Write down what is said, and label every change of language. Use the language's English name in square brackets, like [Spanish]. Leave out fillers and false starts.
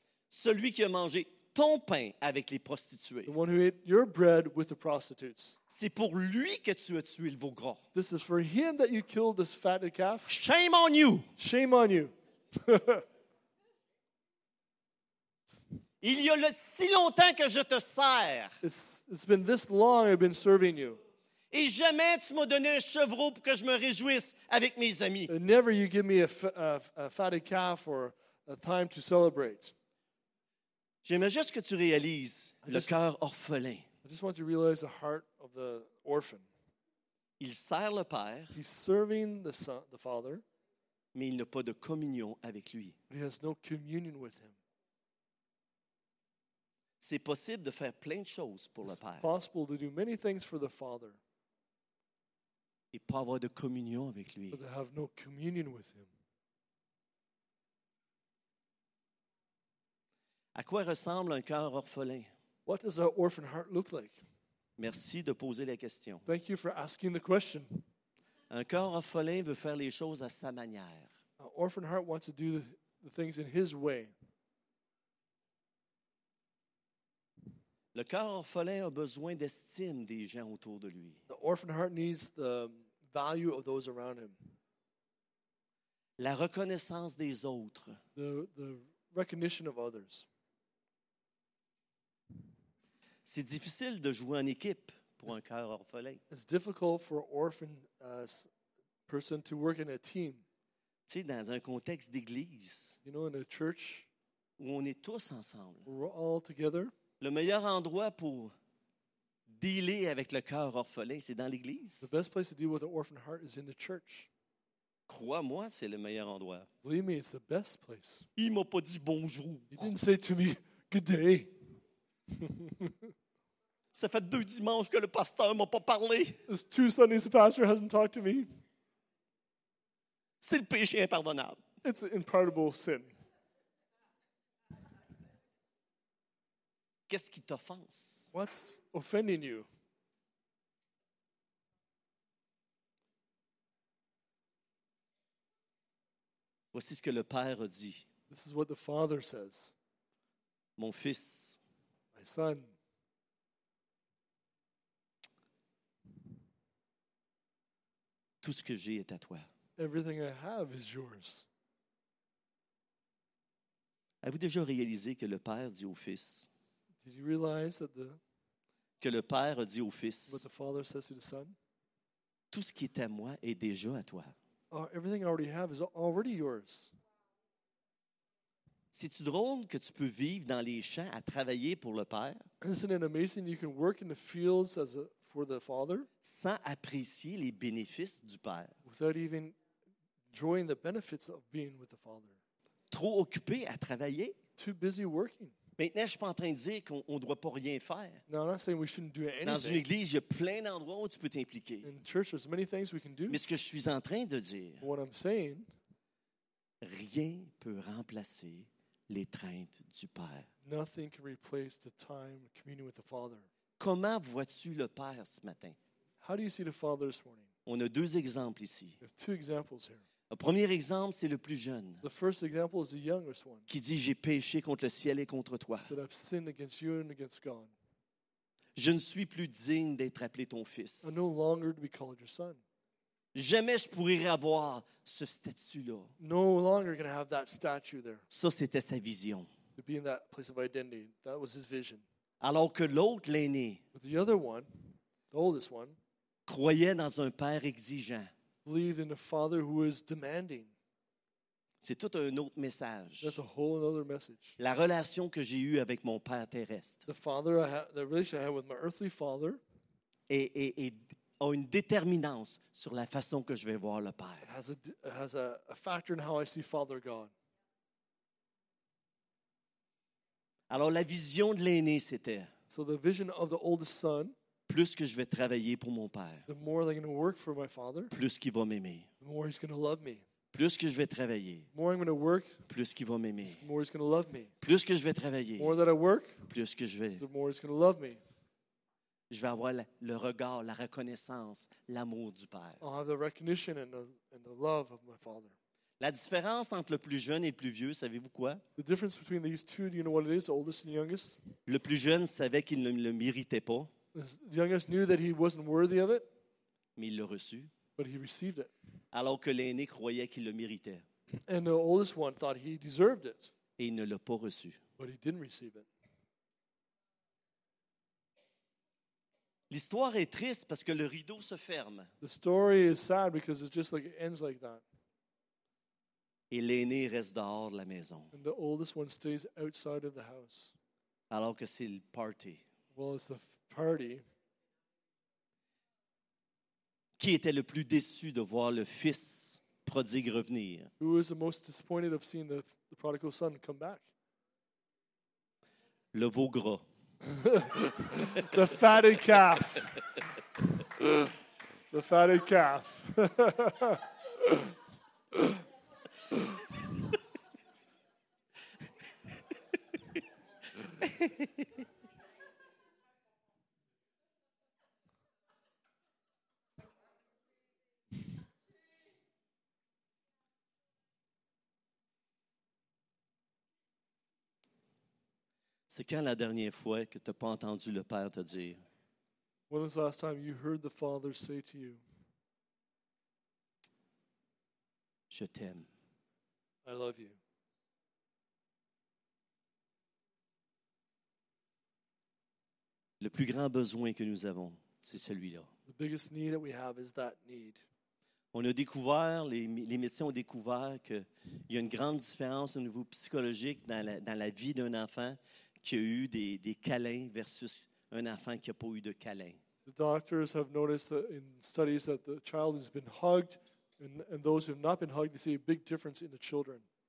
[French] Celui qui a mangé ton pain avec les prostituées. [English] The one who ate your bread with the prostitutes. [French] C'est pour lui que tu as tué le veau gras. [English] This is for him that you killed this fatted calf. Shame on you. Shame on you. [French] Il y a si longtemps que je te sers. [English] It's been this long I've been serving you. [French] Et jamais tu m'as donné un chevreau pour que je me réjouisse avec mes amis. [English] And never you give me a fatted calf or a time to celebrate. [French] J'aimerais juste que tu réalises le cœur orphelin. [English] I just want you to realize the heart of the orphan. [French] Il sert le père. [English] He's serving the son, the father. [French] Mais il n'a pas de communion avec lui. [English] He has no communion with him. [French] C'est possible de faire plein de choses pour [English] It's [French] le père. [English] It's possible to do many things for the father. [French] Et pas avoir de communion avec lui. [English] But to have no communion with him. [French] À quoi ressemble un cœur orphelin? [English] What does an orphan heart look like? [French] Merci de poser la question. [English] Thank you for asking the question. [French] Un cœur orphelin veut faire les choses à sa manière. [English] An orphan heart wants to do the things in his way. [French] Le cœur orphelin a besoin d'estime des gens autour de lui. [English] The orphan heart needs the value of those around him. [French] La reconnaissance des autres. [English] The recognition of others. [French] C'est difficile de jouer en équipe pour un cœur orphelin. [English] It's difficult for an orphan person to work in a team. [French] Tu sais, dans un contexte d'église. [English] You know, in a church. [French] Où on est tous ensemble. [English] We're all together. [French] Le meilleur endroit pour dealer avec le cœur orphelin, c'est dans l'église. [English] The best place to deal with an orphan heart is in the church. [French] Crois-moi, c'est le meilleur endroit. [English] Believe me, it's the best place. [French] Il m'a pas dit bonjour. [English] He didn't say to me, good day. [French] Ça fait deux dimanches que le pasteur m'a pas parlé. [English] It's two Sundays the pastor hasn't talked to me. [French] C'est le péché impardonnable. [English] It's an impardonable sin. [French] Qu'est-ce qui t'offense? [English] What's offending you? [French] Voici ce que le père a dit. [English] This is what the father says. [French] Mon fils. [English] My son. [French] Tout ce que j'ai est à toi. [English] Everything I have is yours. [French] Avez-vous déjà réalisé que le père dit au fils? [English] Did you realize that the [French] que le père a dit au fils? [English] What the father says to the son? [French] Tout ce qui est à moi est déjà à toi. [English] Everything I already have is already yours. [French] C'est-tu drôle que tu peux vivre dans les champs à travailler pour le père? [English] Isn't it amazing you can work in the fields as a for the father? [French] Sans apprécier les bénéfices du père. [English] Without even enjoying the benefits of being with the father. [French] Trop occupé à travailler? [English] Too busy working. [French] Maintenant, je ne suis pas en train de dire qu'on ne doit pas rien faire. [English] No, I'm not saying we shouldn't do anything. [French] Dans une église, il y a plein d'endroits où tu peux t'impliquer. [English] In church, there's many things we can do. [French] Mais ce que je suis en train de dire, [English] what I'm saying, [French] rien ne peut remplacer l'étreinte du Père. [English] Nothing can replace the time communion with the Father. [French] Comment vois-tu le Père ce matin? [English] How do you see the Father this morning? [French] On a deux exemples ici. [English] We have two examples here. [French] Le premier exemple, c'est le plus jeune. [English] The first example is the youngest one. [French] Qui dit, j'ai péché contre le ciel et contre toi. [English] Said, I've sinned against you and against God. [French] Je ne suis plus digne d'être appelé ton fils. [English] I'm no longer to be called your son. [French] Jamais je pourrai avoir ce statut-là. [English] No longer gonna have that statue there. [French] Ça, c'était sa vision. [English] To be in that place of identity. That was his vision. [French] Alors que l'autre, l'aîné, [English] but the other one, the oldest one, [French] croyait dans un père exigeant. [English] Believe in a father who is demanding. [French] C'est tout un autre message. [English] That's a whole other message. [French] La relation que j'ai eue avec mon père terrestre. [English] The father I had, the relationship I had with my earthly father. [French] Et a une déterminance sur la façon que je vais voir le père. [English] It has a factor in how I see Father God. [French] Alors la vision de l'aîné c'était. [English] So the vision of the oldest son. [French] plus que je vais travailler pour mon père, [English] the more I'm going to work for my father, [French] plus qu'il va m'aimer, [English] the more he's going to love me. [French] Plus que je vais travailler, [English] more I'm going to work, [French] plus qu'il va m'aimer, [English] the more he's going to love me. [French] Plus que je vais travailler, [English] more that I work, [French] plus que je vais, [English] the more he's going to love me. [French] Je vais avoir le regard, la reconnaissance, l'amour du père. [English] I'll have the recognition and the love of my father. [French] La différence entre le plus jeune et le plus vieux, savez-vous quoi? [English] The difference between these two, do you know what it is, the oldest and the youngest? [French] Le plus jeune savait qu'il ne le méritait pas. [English] The youngest knew that he wasn't worthy of it. [French] Mais il l'a reçu. [English] But he received it. [French] Alors que l'aîné croyait qu'il le méritait. [English] And the oldest one thought he deserved it. [French] Et il ne l'a pas reçu. [English] But he didn't receive it. [French] L'histoire est triste parce que le rideau se ferme. [English] The story is sad because it's just like it ends like that. [French] Et l'aîné reste dehors de la maison. [English] And the oldest one stays outside of the house. [French] Alors que c'est le party. [English] Well, it's the party. [French] Qui était le plus déçu de voir le fils prodigue revenir? [English] Who was the most disappointed of seeing the prodigal son come back? [French] Le veau gras. [English] The fatted calf. The fatted calf. [French] C'est quand la dernière fois que tu n'as pas entendu le Père te dire? [English] When was the last time you heard the Father say to you? [French] Je t'aime. [English] I love you. [French] Le plus grand besoin que nous avons, c'est celui-là. [English] The biggest need that we have is that need. [French] On a découvert, les médecins ont découvert qu'il y a une grande différence au niveau psychologique dans la vie d'un enfant qui a eu des câlins versus un enfant qui n'a pas eu de câlins. [English] The doctors have noticed that in studies that the child has been hugged and those who have not been hugged, they see a big difference in the children.